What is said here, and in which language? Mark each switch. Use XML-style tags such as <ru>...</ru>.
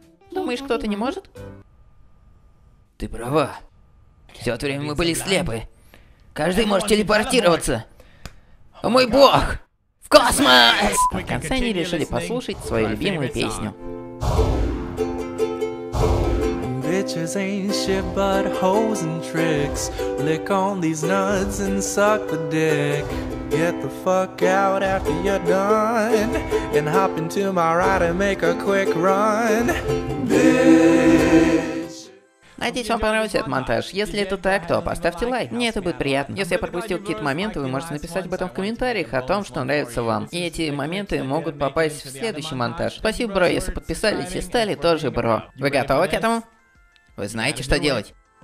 <ru>Думаешь, кто-то не может? Ты права. Все это время мы были слепы. Каждый может телепортироваться. О мой бог! В космос! В конце они решили послушать свою любимую песню.</ru> <en>Bitches ain't shit but hoes and tricks. Lick on these nuts and suck the dick. Get the fuck out after you're done. And hop into my ride and make a quick run.</en> <ru>Надеюсь, вам понравился этот монтаж. Если это так, то поставьте лайк. Мне это будет приятно. Если я пропустил какие-то моменты, вы можете написать об этом в комментариях, о том, что нравится вам. И эти моменты могут попасть в следующий монтаж. Спасибо, бро, если подписались и стали тоже, бро. Вы готовы к этому? Вы знаете, что делать?</ru>